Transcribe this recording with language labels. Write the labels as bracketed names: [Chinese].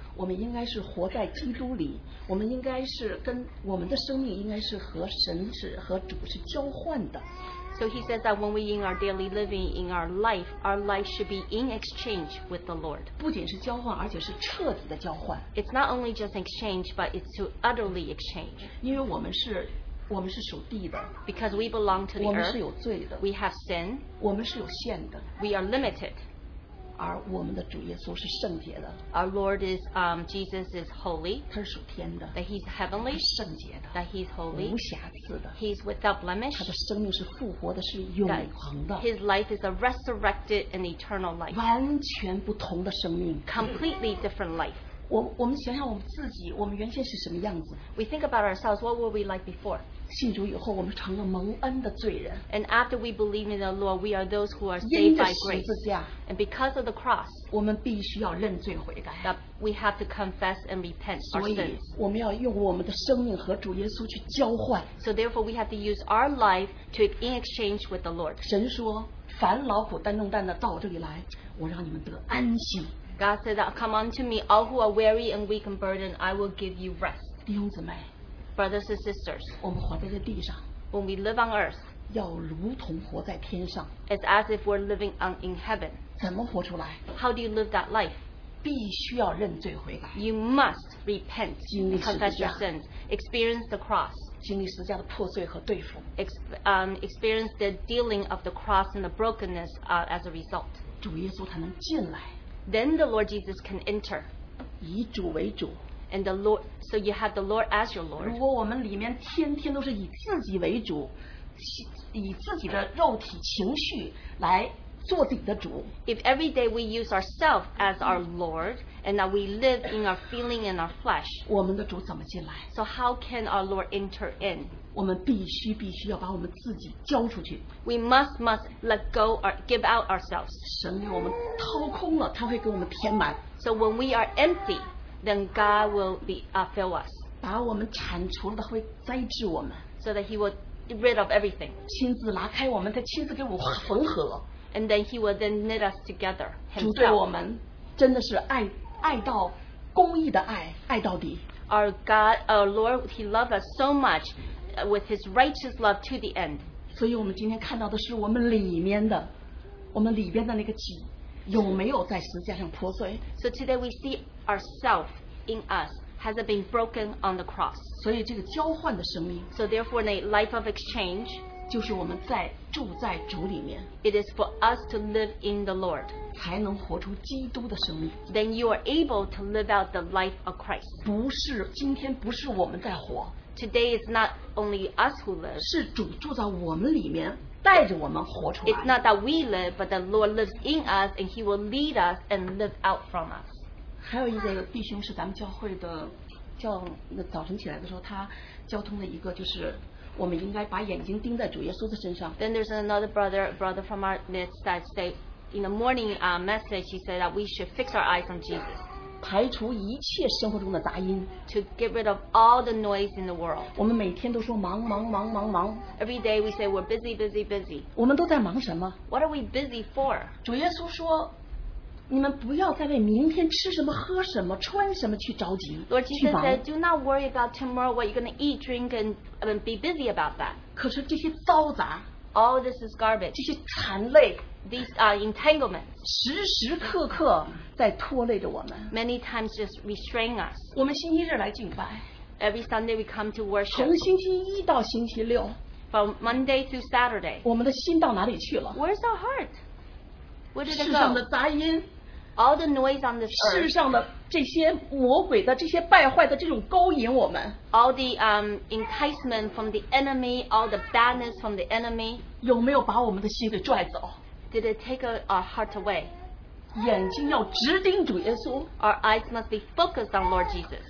[English] So he says that when we in our daily living, in our life should be in exchange with the Lord. [Chinese] 不仅是交换, 而且是彻底的交换。 [English] It's not only just exchange, but it's to utterly exchange. [Chinese] 因为我们是属地的。 [English] Because we belong to the [Chinese] 我们是有罪的。 [English] Earth. We have sin. [Chinese] 我们是有限的。 [English] We are limited. Our Lord is Jesus is holy. [Chinese] 他是属天的, [English] that He's heavenly. [Chinese] 他是圣洁的, [English] that He's holy. [Chinese] 无瑕疵的, [English] He's without blemish. [Chinese] 他的生命是复活的, 是永恒的, [English] His life is a resurrected and eternal life. [Chinese] 完全不同的生命, [English] completely different life. [Chinese] 我们想想我们自己, 我们原先是什么样子, [English] we think about ourselves, what were we like before? [Chinese] 信主以后我们成了蒙恩的罪人, [English] and after we believe in the Lord, we are those who are saved by grace. And because of the cross, [Chinese] 我们必须要认罪悔改, [English] that we have to confess and repent our sins. [Chinese] 所以我们要用我们的生命和主耶稣去交换。 [English] So therefore we have to use our life to in exchange with the Lord. [Chinese] 神说,烦劳苦担重担的到我这里来, 我让你们得安息。 [English] God said that, come unto me, all who are weary and weak and burdened, I will give you rest. [Chinese] 弟兄姊妹, [English] brothers and sisters, [Chinese] 我们活在这地上, [English] when we live on earth, [Chinese] 要如同活在天上, [English] it's as if we're living on in heaven. [Chinese] 怎么活出来? [English] How do you live that life? [Chinese] 必须要认罪悔改, [English] you must repent, [Chinese] 经历十字架, [English] confess your sins, experience the cross, [Chinese] 经历十字架的破碎和对付, [English] experience the dealing of the cross and the brokenness as a result. [Chinese] 主耶稣才能进来, [English] then the Lord Jesus can enter. [Chinese] 以主为主, [English] and the Lord, so you have the Lord as your Lord. [Chinese] 如果我们里面天天都是以自己为主, 以自己的肉体情绪来做自己的主, [English] if every day we use ourselves as our Lord, and that we live in our feeling and our flesh, [Chinese] 我们的主怎么进来? [English] So how can our Lord enter in? [Chinese] 我们必须要把我们自己交出去。 [English] We must let go or give out ourselves. [Chinese] 神给我们掏空了, 祂会给我们填满。 [English] So when we are empty, then God will be fill us. [Chinese] 把我们铲除了,祂会栽植我们。 [English] So that He will get rid of everything. [Chinese] 亲自拿开我们,祂亲自给我们缝合。 [English] And then He will then knit us together. [Chinese] 主对我们真的是爱到公义的爱,爱到底。 [English] Our God, our Lord, He loved us so much with His righteous love to the end. [Chinese] 所以我们今天看到的是我们里面的,我们里边的那个己,有没有在十字架上破碎? [English] So today we see ourselves in us, has it been broken on the cross? [Chinese] 所以这个交换的生命, [English] so therefore a life of exchange, [Chinese] 就是我们在住在主里面, [English] it is for us to live in the Lord, [Chinese] 才能活出基督的生命, [English] then you are able to live out the life of Christ. [Chinese] 不是,今天不是我们在活, [English] today is not only us who live. [Chinese] 是主住在我们里面, 带着我们活出来。 [English] It's not that we live, but the Lord lives in us, and He will lead us and live out from us. [Chinese] 还有一个弟兄是咱们教会的，叫早晨起来的时候，他交通的一个就是，我们应该把眼睛盯在主耶稣的身上。 [English] Then there's another brother, from our midst that say in the morning message, he said that we should fix our eyes on Jesus. [Chinese] 排除一切生活中的杂音, [English] to get rid of all the noise in the world. [Chinese] 我们每天都说忙忙忙忙忙, [English] every day we say we're busy, busy, busy. [Chinese] 我们都在忙什么? [English] What are we busy for? [Chinese] 主耶稣说, 你们不要再为明天吃什么喝什么穿什么去着急, [English] Lord Jesus said, do not worry about tomorrow, what you're going to eat, drink, and be busy about that. [Chinese] 可是这些糟杂, [English] all of this is garbage, [Chinese] 这些残累, [English] these are entanglements, [Chinese] 时时刻刻, [English] many times just restrain us. [Chinese] 我们星期日来敬拜, [English] every Sunday we come to worship. [Chinese] 从星期一到星期六, [English] from Monday to Saturday. [Chinese] 我们的心到哪里去了? [English] Where's our heart? Where did it go? [Chinese] 世上的杂音, [English] all the noise on this earth, [Chinese] 世上的这些魔鬼的这些败坏的这种勾引我们, [English] all the enticement from the enemy, all the badness from the enemy, [Chinese] 有没有把我们的心给拽走? [English] Did it take our heart away? [Chinese] 眼睛要直盯主耶稣, [English] our eyes must be focused on Lord Jesus.